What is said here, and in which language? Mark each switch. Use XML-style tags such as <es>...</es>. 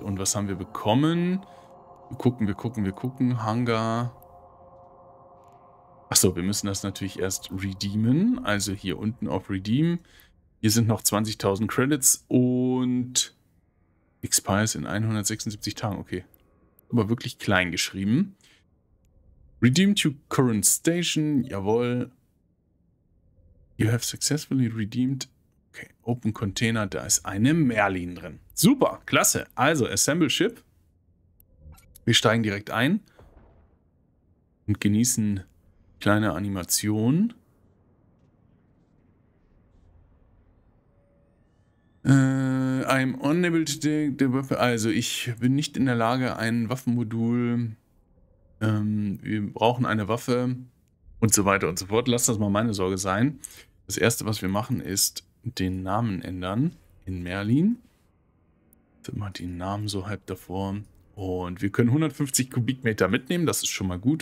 <de>Und was haben wir bekommen? Wir gucken. Hangar. Achso, wir müssen das natürlich erst redeemen. Also hier unten auf Redeem. Hier sind noch 20.000 Credits und expires in 176 Tagen. Okay. Aber wirklich klein geschrieben.</de> <en>Redeem to current station. Jawohl. You have successfully redeemed.</en> <de>Okay, Open Container, da ist eine Merlin drin. Super, klasse. Also, Assemble Ship. Wir steigen direkt ein und genießen kleine Animationen.</de> <en>I'm unable to take the weapon.</en> <de>Also, ich bin nicht in der Lage, ein Waffenmodul. Wir brauchen eine Waffe und so weiter und so fort. Lass das mal meine Sorge sein. Das Erste, was wir machen, ist den Namen ändern in Merlin. Jetzt mal den Namen so halb davor. Und wir können 150 Kubikmeter mitnehmen. Das ist schon mal gut.</de>